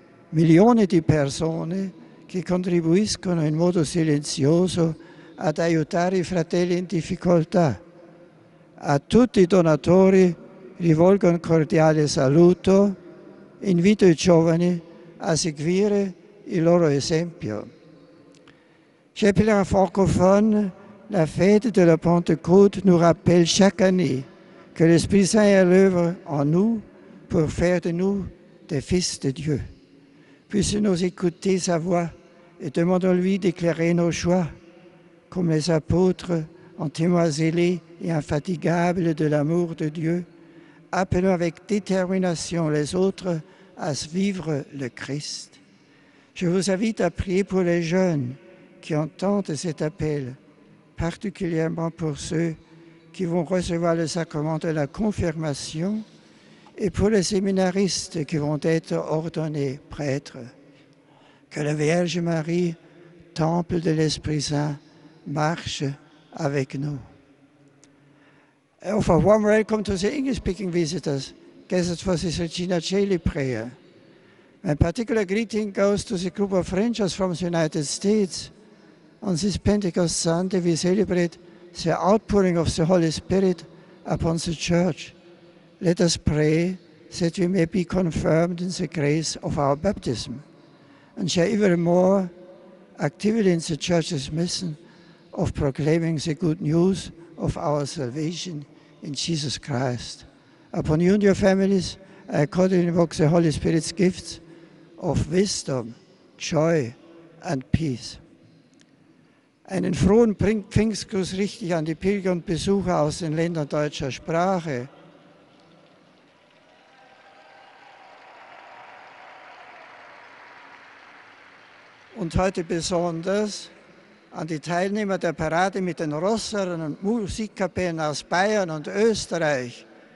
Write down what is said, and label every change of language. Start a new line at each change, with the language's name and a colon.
Italian: Milioni di persone che contribuiscono in modo silenzioso ad aiutare i fratelli in difficoltà. A tutti i donatori rivolgo un cordiale saluto, invito i giovani a seguire il loro esempio.
French: C'è per la francophone, la fête de la Pentecôte nous rappelle chaque année que l'Esprit Saint est à l'œuvre en nous pour faire de nous des fils de Dieu. Puissons-nous écouter sa voix et demandons-lui d'éclairer nos choix, comme les apôtres, en témoins zélés et infatigables de l'amour de Dieu, appelons avec détermination les autres à vivre le Christ. Je vous invite à prier pour les jeunes qui entendent cet appel, particulièrement pour ceux qui vont recevoir le sacrement de la confirmation, et pour les séminaristes qui vont être ordonnés prêtres. Que la Vierge Marie, temple de l'Esprit-Saint, marche avec nous.
English: And for a warm welcome to the English-speaking visitors, gathered for this Regina Caeli prayer. A particular greeting goes to the group of Frenchers from the United States. On this Pentecost Sunday, we celebrate the outpouring of the Holy Spirit upon the Church. Let us pray that we may be confirmed in the grace of our baptism and share even more actively in the Church's mission of proclaiming the good news of our salvation in Jesus Christ. Upon you and your families, I accordingly invoke the Holy Spirit's gifts of wisdom, joy, and peace.
German: Einen frohen Pfingstgruß richte ich an die Pilger und Besucher aus den Ländern deutscher Sprache. Und heute besonders an die Teilnehmer der Parade mit den Rossern und Musikkapellen aus Bayern und Österreich.